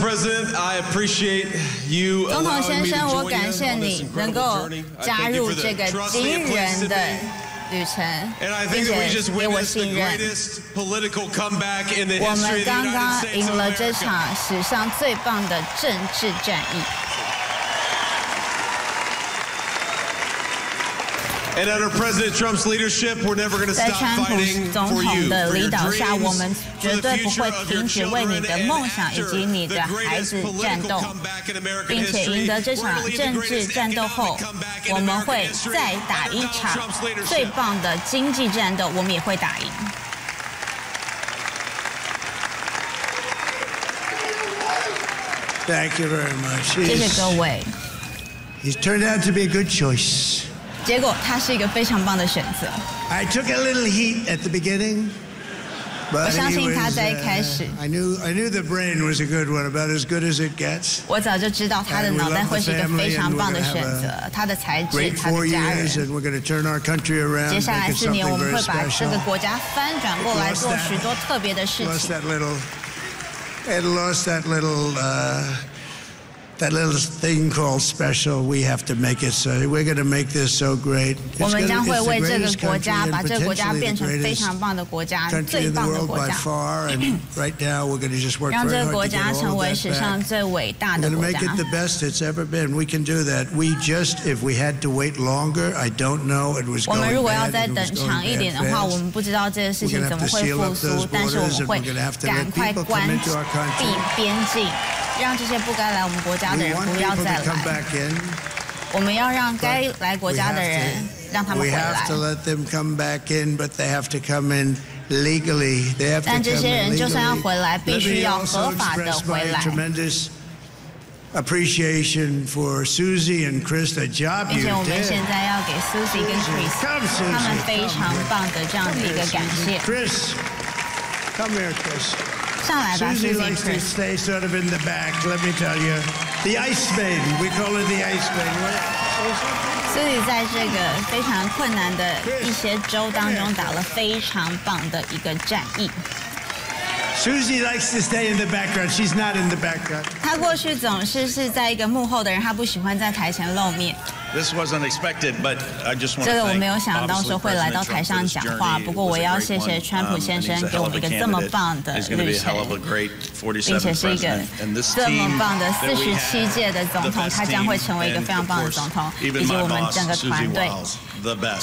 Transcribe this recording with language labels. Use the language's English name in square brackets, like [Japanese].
[English] President, I appreciate you allowing me to join you on this incredible journey. I thank you for the trust and place to be. And I think that we just witnessed the greatest political comeback in the history of the United States of America. [Chinese] 我们刚刚赢了这场史上最棒的政治战役。 [English] And under President Trump's leadership, we're never going to stop fighting for you. [Chinese] 在川普总统的领导下，我们绝对不会停止为你的梦想以及你的孩子战斗，并且赢得这场政治战斗后，我们会再打一场最棒的经济战斗，我们也会打赢。 [English] Thank you very much. [Chinese] 谢谢各位。 [English] He's turned out to be a good choice. [Chinese] 结果他是一个非常棒的选择。 [English] I took a little heat at the beginning. [Chinese] 我相信他在一开始。 [English] I knew the brain was a good one, about as good as it gets. [Chinese] 我早就知道他的脑袋会是一个非常棒的选择。他的才智，他的家人。 [English] Great 4 years, and we're going to turn our country around. [Chinese] 接下来四年，我们会把这个国家翻转过来，做许多特别的事情。 [English] It lost that little thing called special. We have to make it so. We're going to make this so great. [Chinese] 我们将会为这个国家把这个国家变成非常棒的国家，最棒的国家。 [English] And right now, we're going to just work very hard to get all of that back. [Chinese] 让这个国家成为史上最伟大的国家。 [English] We're going to make it the best it's ever been. We can do that. If we had to wait longer, I don't know. It was going bad. [Chinese] 我们如果要再等长一点的话，我们不知道这件事情怎么会复苏。但是我们会赶快关闭边境。让这些不该来我们国家的人不要再来。我们要让该来国家的人让他们回来。 [English] We have to let them come back in, but they have to come in legally. [Chinese] 但这些人就算要回来，必须要合法的回来。 [English] Appreciation for Susie and Chris, the job you did. [Chinese] 并且我们现在要给 Susie 跟 Chris， 他们非常棒的这样的一个感谢。 [English] Chris， come here, Chris. Susie likes to stay sort of in the back. Let me tell you, the ice maiden. We call her the ice maiden. [Chinese] Susie 在这个非常困难的一些州当中打了非常棒的一个战役。 [English] Susie likes to stay in the background. She's not in the background. [Chinese] 她过去总是是在一个幕后的人，她不喜欢在台前露面。 [English] This was unexpected, but I just want to thank obviously President Trump for this journey. It was a great one. He's a hell of a candidate. He's going to be a hell of a great 47th president. And this team that we have, the best team, and of course, even my boss, Susie Wiles, the best.